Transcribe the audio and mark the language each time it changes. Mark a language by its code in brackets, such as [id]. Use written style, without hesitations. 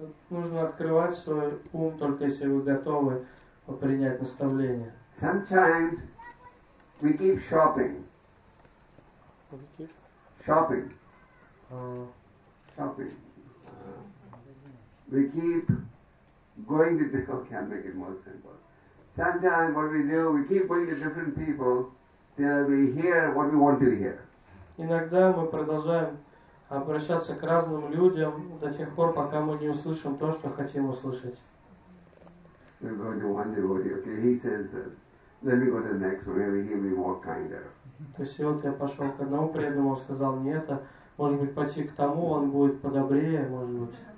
[ru] Нужно открывать свой ум, только если вы готовы принять наставление. [en] Sometimes we keep shopping. Shopping. Shopping. We keep going to different people. Can't make it more simple. Sometimes what we do, we keep going to different people till we hear what we want to hear. [ru] Иногда мы продолжаем обращаться к разным людям до тех пор, пока мы не услышим то, что хотим услышать. [en] We're going to one devotee. Okay, he says, let me go to the next one. Maybe he'll be more kinder. [ru] То есть вот я пошел к одному преданному, он сказал мне это. Может быть, пойти к тому, он будет подобрее, может быть.